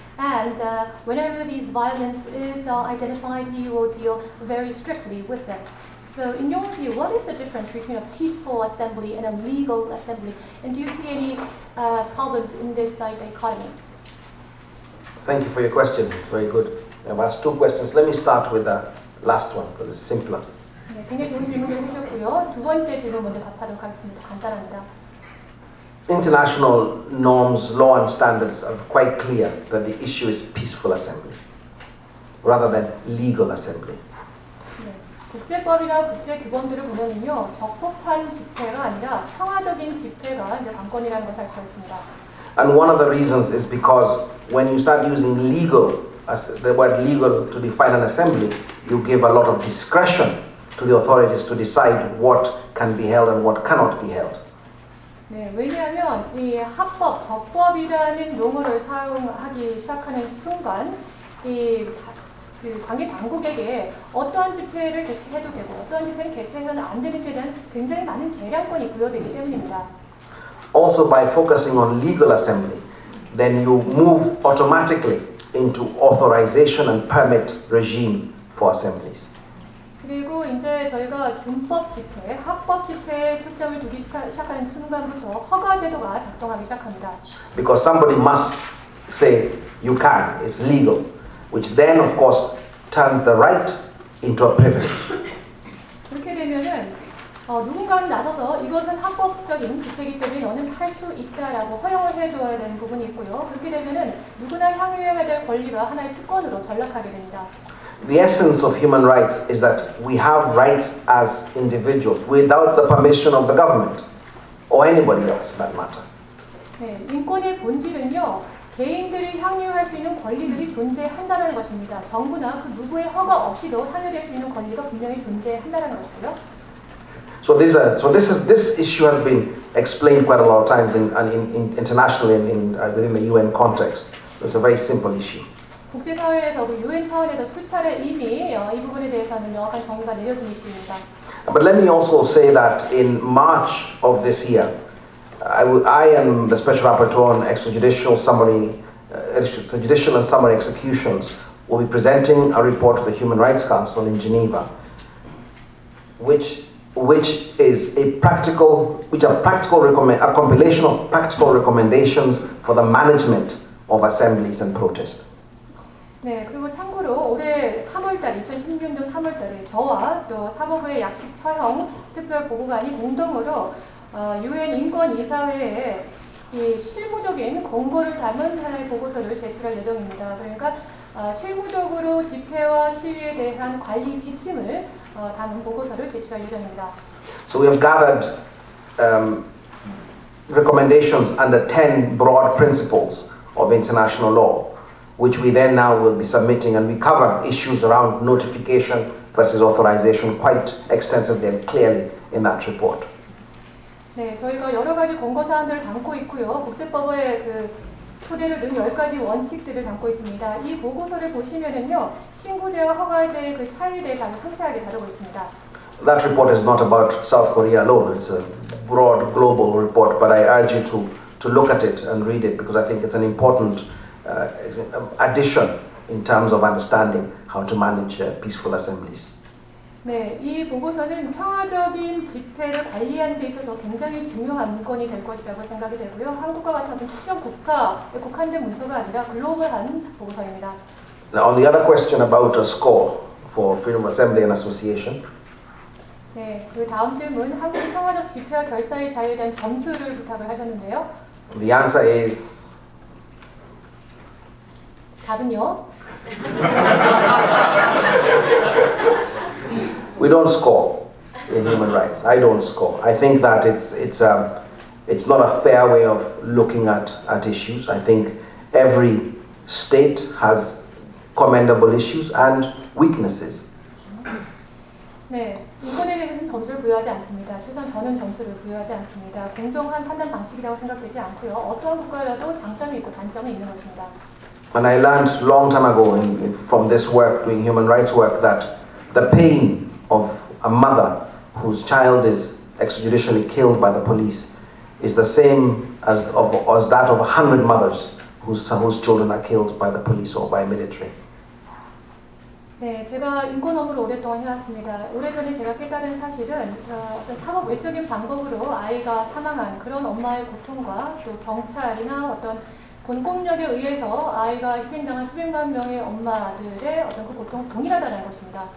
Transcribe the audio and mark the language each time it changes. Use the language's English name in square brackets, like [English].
[English] And whenever these violence is identified, he will deal very strictly with them. So in your view, what is the difference between a peaceful assembly and a legal assembly? And do you see any problems in this dichotomy? Thank you for your question. Very good. I've asked two questions. Let me start with the last one, because it's simpler. [Korean] 네, 굉장히 좋은 질문을 해주셨고요. 두 번째 질문 먼저 답하도록 하겠습니다. 간단합니다. [English] International norms, law and standards are quite clear that the issue is peaceful assembly rather than legal assembly. [Korean] 네, 국제법이나 국제 규범들을 보면요, 적법한 집회가 아니라 평화적인 집회가 이제 관건이라는 것을 알 수 있습니다. [English] And one of the reasons is because when you start using legal, as the word legal to define an assembly, you give a lot of discretion to the authorities to decide what can be held and what cannot be held. [Korean] 네, 왜냐하면 이 합법, 법법이라는 용어를 사용하기 시작하는 순간 이 그 관계 당국에게 어떠한 집회를 개최해도 되고 어떠한 집회를 개최해서는 안 되는지에 대한 굉장히 많은 재량권이 부여되기 때문입니다. [English] Also by focusing on legal assembly, then you move automatically into authorization and permit regime for assemblies. [Korean] 그리고 이제 저희가 준법 집회, 합법 집회에 초점을 두기 시작하는 순간부터 허가 제도가 작동하기 시작합니다. [English] Because somebody must say you can, it's legal, which then of course turns the right into a privilege. [Korean] 그렇게 되면은 누군가 나서서 이것은 합법적인 집회이기 때문에 너는 할 수 있다라고 허용을 해줘야 되는 부분이 있고요. 그렇게 되면은 누구나 향유해야 될 권리가 하나의 특권으로 전락하게 됩니다. [English] The essence of human rights is that we have rights as individuals without the permission of the government or anybody else, for that matter. [Korean] 네, 인권의 본질은요 개인들이 향유할 수 있는 권리들이 존재한다는 것입니다. 정부나 그 누구의 허가 없이도 향유될 수 있는 권리가 분명히 존재한다는 것이고요. [English] So this issue has been explained quite a lot of times in internationally and within the UN context. It's a very simple issue. [Korean] 국제사회에서도 UN 차원에서 수차례 이미 이 부분에 대해서는 명확한 정부가 내려진 이슈입니다. [English] But let me also say that in March of this year, I am the special rapporteur on extrajudicial and summary executions. Will be presenting a report to the Human Rights Council in Geneva, which are practical a compilation of practical recommendations for the management of assemblies and protests. [Korean] 네, 그리고 참고로 올해 3월달, 2016년 3월달에 저와 또 사법부의 약식 처형 특별 보고관이 공동으로 UN 인권이사회에 이 실무적인 권고를 담은 하나의 보고서를 제출할 예정입니다. 그러니까 실무적으로 집회와 시위에 대한 관리 지침을 담은 보고서를 제출할 예정입니다. [English] So we have gathered recommendations under 10 broad principles of international law, which we then now will be submitting, and we cover issues around notification versus authorization quite extensively and clearly in that report. [Korean] 네, 저희가 여러 가지 권고 사항들을 담고 있고요. 국제법의 그 토대를 둔 열 가지 원칙들을 담고 있습니다. 이 보고서를 보시면은요, 신고제와 허가제의 그 차이에 대해서 상세하게 다루고 있습니다. [English] That report is not about South Korea alone. It's a broad global report, but I urge you to look at it and read it because I think it's an important addition in terms of understanding how to manage peaceful assemblies. [Korean] 네, 이 보고서는 평화적인 집회를 관리하는 데 있어서 굉장히 중요한 문건이 될 것이라고 생각이 되고요. 한국과 같은 특정 국가 국한된 문서가 아니라 글로벌한 보고서입니다. [English] Now, on the other question about a score for freedom of assembly and association. [Korean] 네, 그 다음 질문 한국 평화적 집회와 결사의 자유에 대한 점수를 부탁을 하셨는데요. [English] The answer is. [Korean] 답은요? [English] We don't score in human rights. I don't score. I think that it's not a fair way of looking at issues. I think every state has commendable issues and weaknesses. [Korean] 네, 인권에 대해서는 점수를 부여하지 않습니다. 최소한 저는 점수를 부여하지 않습니다. 공정한 판단 방식이라고 생각되지 않고요. 어떤 국가라도 장점이 있고 단점이 있는 것입니다. [English] And I learned long time ago from this work, doing human rights work, that the pain of a mother whose child is extrajudicially killed by the police is the same as that of 100 mothers whose children are killed by the police or by military. [Korean] 네, 제가 인권 업무를 오랫동안 해왔습니다. 오래전에 제가 깨달은 사실은 어떤 사법 외적인 방법으로 아이가 사망한 그런 엄마의 고통과 또 경찰이나 어떤 권고력에 의해서 아이가 희생당한 수백만 명의 엄마들의 어떤 그 고통 동일하다는 것입니다.